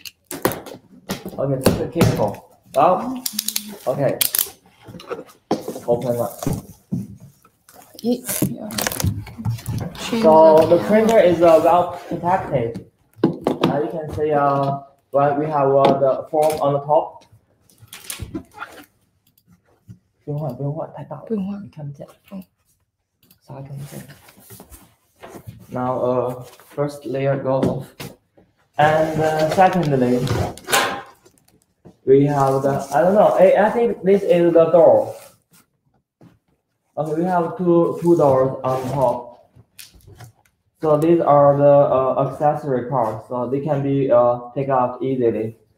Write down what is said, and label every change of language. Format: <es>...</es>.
<en>Okay, be careful. Oh, okay. Open up. So the printer is well protected. Now you can see well, we have the foam on the top.</en> <zh>不用换，太大了，你看不见。嗯，啥看不见。</zh> <en>Now first layer go off, and secondly, we have the I think this is the door. Okay, we have two doors on top. So these are the accessory parts, so they can be taken out easily.</en>